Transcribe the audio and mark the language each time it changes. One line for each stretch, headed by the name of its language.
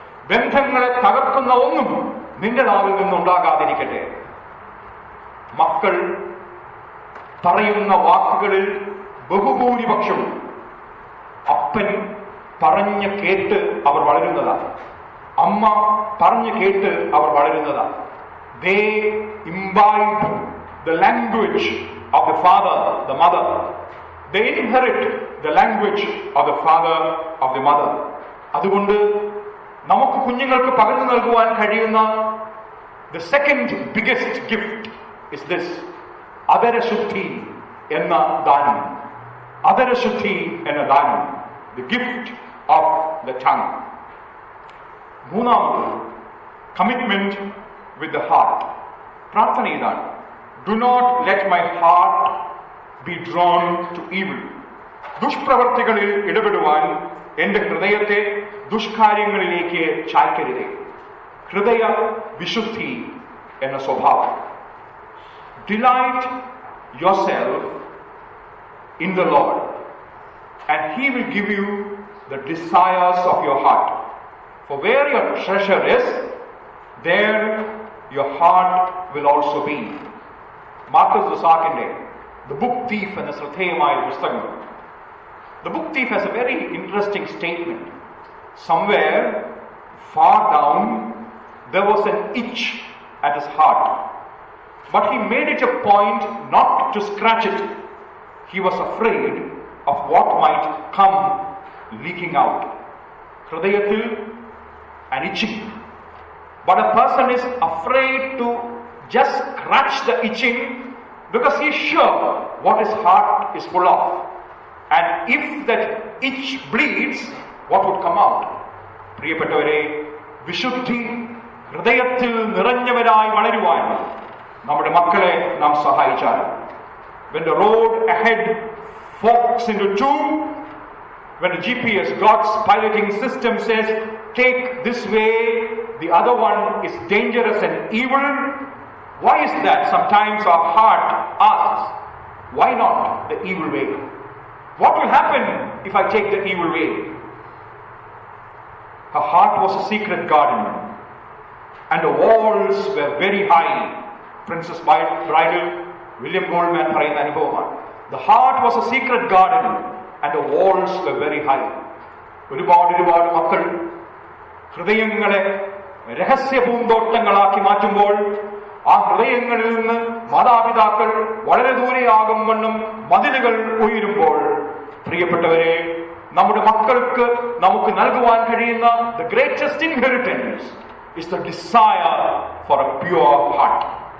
Malayalam: ബന്ധങ്ങളെ തകർക്കുന്ന ഒന്നും നിന്റെ നാവിൽ നിന്ന് ഉണ്ടാകാതിരിക്കട്ടെ. മക്കൾ പറയുന്ന വാക്കുകളിൽ ബഹുഭൂരിപക്ഷവും അപ്പൻ പറഞ്ഞു കേട്ട് അവർ വളരുന്നതാണ്, അമ്മ പറഞ്ഞു കേട്ട് അവർ വളരുന്നതാണ്.
English: They imbibe the language of the father, the mother. They inherit the language of the father, of the mother.
Malayalam: അതുകൊണ്ട് നമുക്ക് കുഞ്ഞുങ്ങൾക്ക് പകർന്നു നൽകുവാൻ കഴിയുന്ന
English: the second biggest gift is this,
Malayalam: അദരശുദ്ധി എന്ന ദാനം. അദരശുദ്ധി എന്ന ദാനം,
English: the gift of the tongue.
Malayalam: മൂന്നാമത്
English: commitment with the heart.
Malayalam: പ്രാർത്ഥനയാണ്,
English: do not let my heart be drawn to evil.
Malayalam: ദുഷ്പ്രവൃത്തികളിൽ ഇടപെടുവാൻ എന്റെ ഹൃദയത്തെ ദുഷ്കാര്യങ്ങളിലേക്ക് ചായ്ക്കരുത്. ഹൃദയ വിശുദ്ധി എന്ന സ്വഭാവം.
English: Delight yourself in the Lord and he will give you the desires of your heart. For where your treasure is, there your heart will also be. Marcus Lusakinde, the book thief and the
Malayalam: Srathayamaya Pustakam.
English: The book thief has a very interesting statement. Somewhere far down there was an itch at his heart, but he made it a point not to scratch it. He was afraid of what might come leaking out.
Malayalam: Hridayathil
English: an itching. But a person is afraid to just scratch the itching because he is sure what his heart is full of. And if that itch bleeds, what would come out?
Malayalam: പ്രിയപ്പെട്ടവരെ, വിശുദ്ധി ഹൃദയത്തിൽ നിറഞ്ഞവരായി വളരുവാൻ നമ്മുടെ മക്കളെ നാം സഹായിച്ചാൽ.
English: When the road ahead forks into two, when the GPS, God's piloting system says, take this way, the other one is dangerous and evil. Why is that? Sometimes our heart asks, why not the evil way? What will happen if I take the evil way? Her heart was a secret garden and the walls were very high.
Malayalam: Princess Bridal, William Goldman പറയുന്ന അനുഭവമാണ്.
English: The heart was a secret garden and the walls were very high.
Malayalam: ഒരുപാട് ഒരുപാട് മക്കൾ ഹൃദയങ്ങളെ രഹസ്യ പൂന്തോട്ടങ്ങളാക്കി മാറ്റുമ്പോൾ ആ ഹൃദയങ്ങളിൽ നിന്ന് മാതാപിതാക്കൾ വളരെ ദൂരെയാകും വണ്ണം മതിലുകൾ ഉയരുമ്പോൾ, പ്രിയപ്പെട്ടവരെ, നമ്മുടെ മക്കൾക്ക് നമുക്ക് നൽകുവാൻ കഴിയുന്ന
English: The greatest inheritance is the desire for a pure heart.